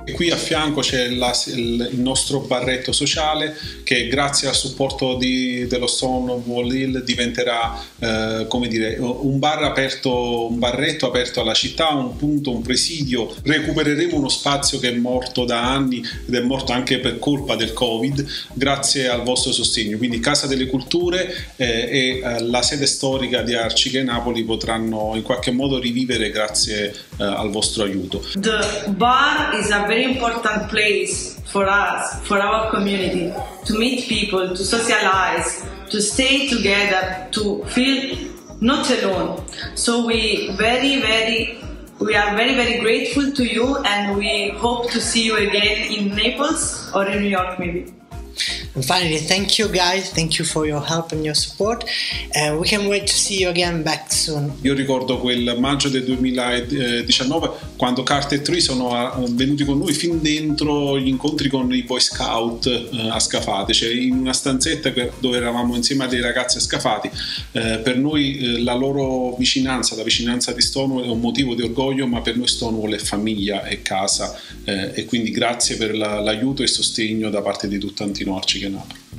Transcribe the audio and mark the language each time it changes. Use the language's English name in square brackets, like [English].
[Italian] qui a fianco c'è il nostro barretto sociale che grazie al supporto dello Stonewall Hill diventerà come dire un bar aperto, un barretto aperto alla città, un punto, un presidio. Recupereremo uno spazio che è morto da anni ed è morto anche per colpa del Covid, grazie al vostro sostegno. Quindi Casa delle Culture e la sede storica di Arcighe Napoli potranno in qualche modo rivivere grazie al vostro aiuto. [English] The bar is a very important place for us, for our community, to meet people, to socialize, to stay together, to feel not alone. So we are very, very grateful to you and we hope to see you again in Naples or in New York maybe. And finally, thank you guys, thank you for your help and your support, and we can't wait to see you again back soon. [Italian] Io ricordo quel maggio del 2019 quando Carter e Tree sono venuti con noi fin dentro gli incontri con i Boy Scout a Scafati, cioè in una stanzetta dove eravamo insieme a dei ragazzi a Scafati. Per noi la loro vicinanza, la vicinanza di Stonewall è un motivo di orgoglio, ma per noi Stonewall è famiglia, è casa, e quindi grazie per l'aiuto e il sostegno da parte di tutta Antino Arcighe Napoli.